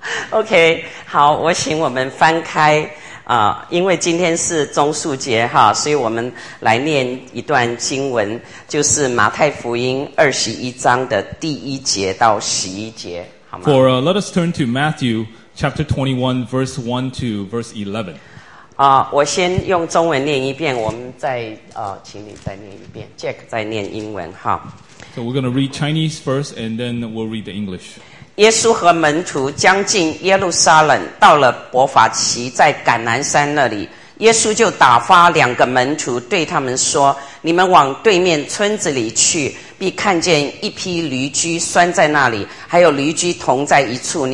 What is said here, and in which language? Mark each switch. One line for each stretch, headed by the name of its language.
Chinese: Okay, 好，我请我们翻开因为今天是中树节哈，所以我们来念一段经文，就是马太福音21章的第一节到十一节，好吗
English: ？For let us turn to Matthew chapter 21, verse 1 to verse 11.
Chinese: 我先用中文念一遍，我们再请你再念一遍 ，Jack 再念英文哈。
English: So we're going to read Chinese first, and then we'll read the English.
Chinese: 耶稣和门徒将近耶路撒冷，到了伯法奇，在橄榄山那里，耶稣就打发两个门徒对他们说：“你们往对面村子里去，必看见一批驴驹拴在那里，还有驴驹同在一处。